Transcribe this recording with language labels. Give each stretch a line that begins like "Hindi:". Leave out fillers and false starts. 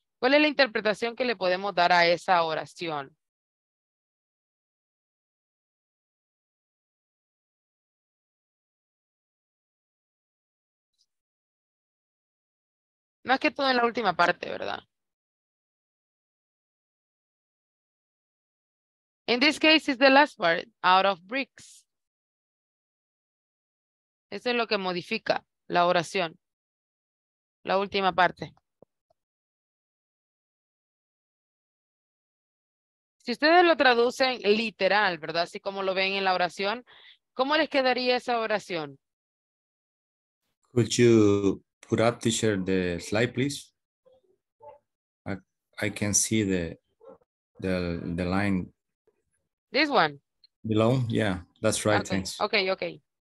Spanish: ¿Cuál es la interpretación que le podemos dar a esa oración? Más que todo en la última parte, ¿verdad?
English: In this case, it's the last part, out of bricks.
Spanish: Eso es lo que modifica la oración. La última parte. Si ustedes lo traducen literal, ¿verdad? Así como lo ven en la oración, ¿cómo les quedaría esa oración?
English: Could you put up teacher the slide, please? I can see the line. This one. Below, yeah, that's right. Okay. Thanks. Okay.